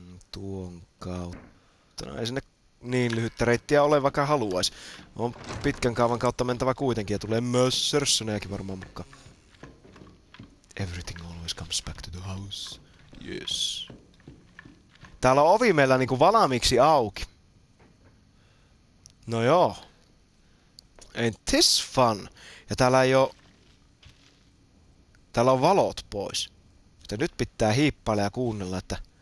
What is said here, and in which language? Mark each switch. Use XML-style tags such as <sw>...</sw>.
<fi>Tuon kautta. No ei sinne niin lyhyttä reittiä ole, vaikka haluaisi. On pitkän kaavan kautta mentävä kuitenkin ja tulee myös sörssönejäkin varmaan mukaan.</fi> <en>Everything always comes back to the house. Yes.</en> <fi>Täällä on ovi meillä niinku valmiiksi auki. No joo.</fi> <en>Ain't this fun?</en> <fi>Ja täällä ei oo... Täällä on valot pois. Joten nyt pitää hiippailla ja kuunnella, että...</fi>